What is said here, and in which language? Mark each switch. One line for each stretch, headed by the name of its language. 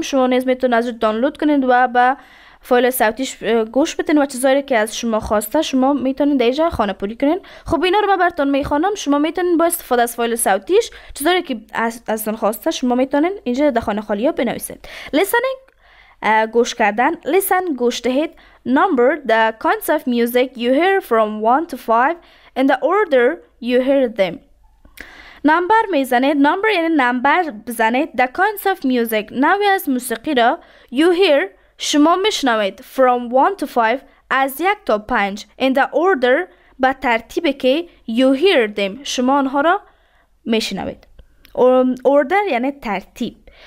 Persian: شما نیز میتون از دانلود کنید و به فایل صوتیش گوش بتین و چیزایی که از شما خواسته شما میتونید در جای خانه پوری کنید. خب اینا رو من براتون میخونم. شما میتونید با استفاده از فایل صوتیش چیزایی که از تون خواسته شما میتونید اینجا در خانه خالی ها بنویسید. لسننگ گوش کردن. لسن گوش دهید.
English: Number the kinds of music you hear from 1 to 5 in the order you hear them.
Persian: نمبر میزنید. نمبر یعنی نمبر بزنید.
English: The kinds of music.
Persian: نوعی از موسیقی را
English: you hear
Persian: شما میشنوید.
English: From 1 to 5
Persian: از 1 تا 5
English: in the order
Persian: به ترتیب که
English: you hear them
Persian: شما آنها را میشنوید. Order یعنی ترتیب.